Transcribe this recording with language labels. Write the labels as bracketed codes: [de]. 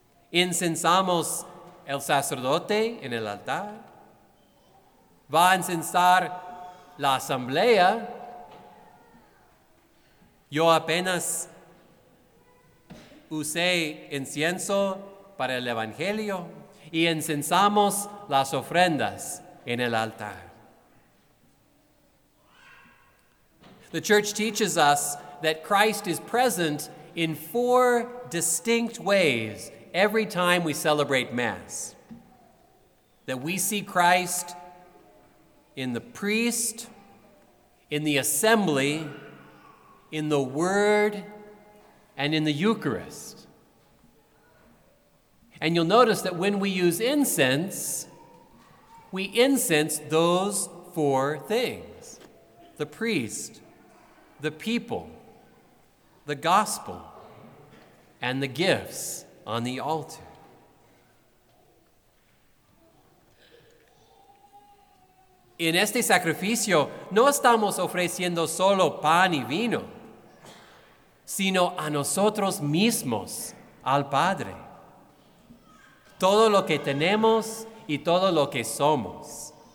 [es] Incensamos el sacerdote en el altar, va a incensar la asamblea. Yo apenas usé incienso para el evangelio y incensamos las ofrendas en el altar. [en] The church teaches us that Christ is present in four distinct ways every time we celebrate Mass. That we see Christ in the priest, in the assembly, in the Word, and in the Eucharist. And you'll notice that when we use incense, we incense those four things: the priest, the people, the gospel, and the gifts on the altar. [es] En este sacrificio, no estamos ofreciendo solo pan y vino, sino a nosotros mismos, al Padre. Todo lo que tenemos y todo lo que somos.